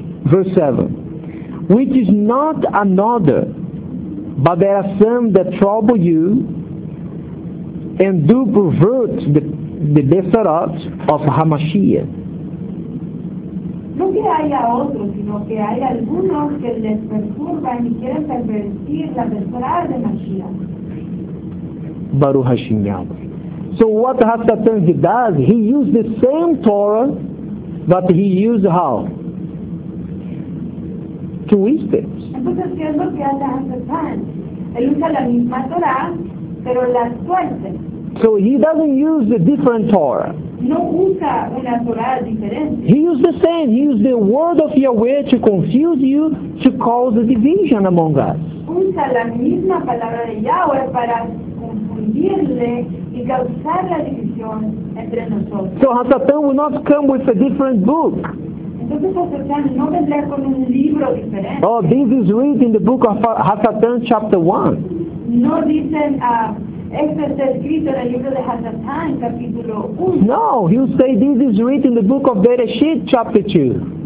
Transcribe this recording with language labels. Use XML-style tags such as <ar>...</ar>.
<en>Verse 7, which is not another, but there are some that trouble you and do pervert the Besarot of HaMashiach.</en> <es>No que haya otro, sino que hay algunos que les perturban y quieren pervertir la Besarot de Mashiach.</es> <he>Baruch Hashem Yahweh.</he> <en>So what HaSatan does, he uses the same Torah, but he uses how? To twist it.</en> <es>Entonces, ¿qué es lo que hace HaSatan? Él usa la misma Torah, pero la tuerce.</es> <en>So he doesn't use a different Torah.</en> <es>No usa una Torah diferente.</es> <en>He uses the same. He uses the word of Yahweh to confuse you, to cause a division among us.</en> <es>Usa la misma palabra de Yahweh para confundirle y causar la división entre nosotros.</es> <en>So HaSatan will not come with a different book.</en> <es>Entonces HaSatan no vendrá con un libro diferente.</es> <en>Oh, this is written in the book of HaSatan chapter 1.</en> <es>No dicen Este es escrito en el libro de Hasatán, capítulo 1.</es> <en>No, he'll say this is written in the book of Bereshit, chapter 2.</en>